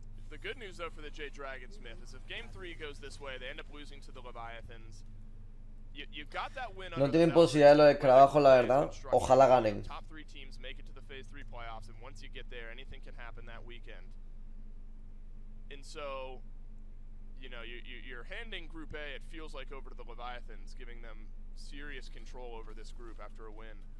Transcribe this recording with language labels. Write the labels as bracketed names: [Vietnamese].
[English] The good news though for the J Dragon Smith is if game 3 goes this way, they end up losing to the Leviathans. You got that win. [Spanish] No tienen posibilidad de los escarabajos, la verdad. Ojalá ganen. [English] Top 3 teams make it to the phase 3 playoffs, and once you get there, anything can happen that weekend. And so, you know, you're handing group A, it feels like, over to the Leviathans, giving them serious control over this group after a win.